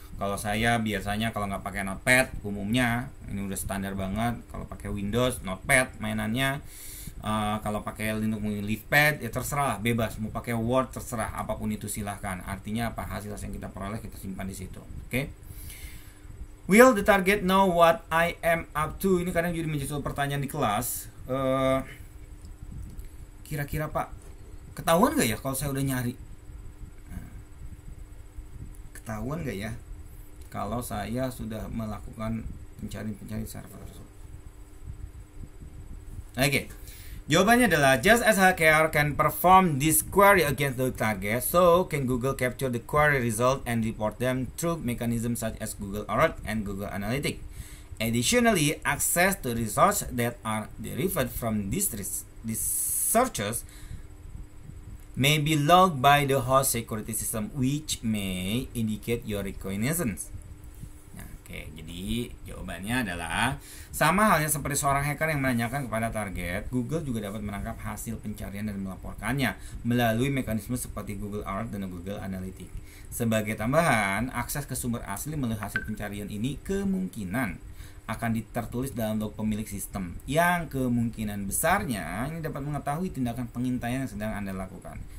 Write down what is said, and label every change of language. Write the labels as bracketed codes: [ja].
[id] Kalau saya biasanya kalau nggak pakai Notepad, umumnya ini udah standar banget, kalau pakai Windows Notepad mainannya, kalau pakai Linux Leafpad ya terserah lah, bebas mau pakai Word terserah, apapun itu silahkan. Artinya apa, hasil yang kita peroleh kita simpan di situ. Oke. [en] Will the target know what I am up to? [id] Ini kadang jadi menjadi suatu pertanyaan di kelas. Kira-kira pak, ketahuan gak ya kalau saya udah nyari? Ketahuan gak ya kalau saya sudah melakukan pencari-pencari server tersebut? Oke, okay. Jawabannya adalah, [en] just as hacker can perform this query against the target, so can Google capture the query result and report them through mechanisms such as Google Alert and Google Analytics. Additionally, access to results that are derived from these searches may be logged by the host security system, which may indicate your reconnaissance. Nah, [id] Oke, jadi jawabannya adalah sama halnya seperti seorang hacker yang menanyakan kepada target, Google juga dapat menangkap hasil pencarian dan melaporkannya melalui mekanisme seperti Google Alert dan Google Analytics. Sebagai tambahan, akses ke sumber asli melalui hasil pencarian ini kemungkinan akan tertulis dalam log pemilik sistem yang kemungkinan besarnya ini dapat mengetahui tindakan pengintaian yang sedang Anda lakukan.